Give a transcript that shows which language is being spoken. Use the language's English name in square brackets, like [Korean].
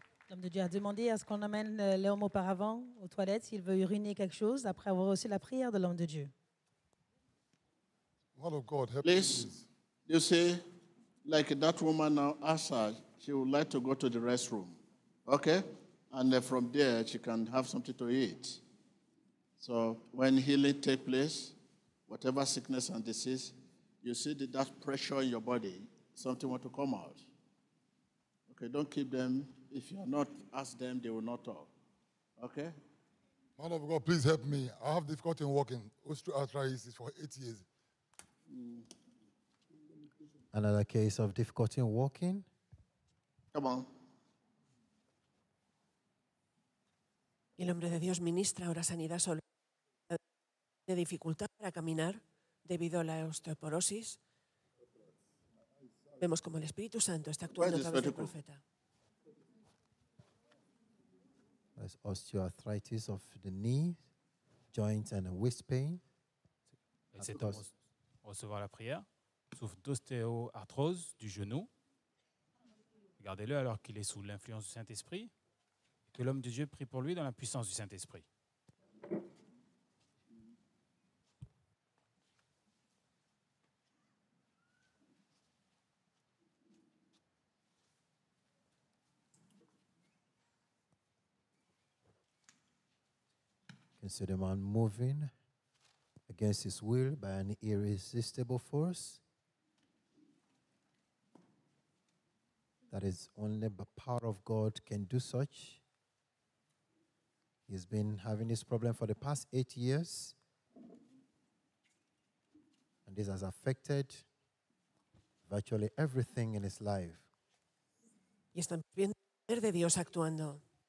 [French] L'homme de Dieu a demandé à ce qu'on amène l'homme auparavant aux toilettes s'il veut uriner quelque chose après avoir reçu la prière de l'homme de Dieu. [English] Man of God, help please. You say, like that woman now, Asa, she would like to go to the restroom. Okay? And from there, she can have something to eat. So when healing takes place, whatever sickness and disease, you see that pressure in your body, something wants to come out. Okay, don't keep them. If you are not ask them, they will not talk. Okay? Man of God, please help me. I have difficulty in walking. Osteoarthritis for 8 years. Another case of difficulty in walking. Come on. [Spanish] El hombre de Dios ministra ahora sanidad solo. De dificultad para caminar debido a la osteoporosis. Vemos como el Espíritu Santo está actuando a través del profeta. [English] There's osteoarthritis of the knees, joints and waist pain. [French] Cet homme recevoir la prière souffre d'ostéoarthrose du genou. Regardez-le alors qu'il est sous l'influence du Saint-Esprit. Que l'homme de Dieu prie pour lui dans la puissance du Saint-Esprit. [English] Can see the man moving against his will by an irresistible force that is only the power of God can do such. He's been having this problem for the past 8 years, and this has affected virtually everything in his life. [Spanish] Y está viendo el poder de Dios actuando.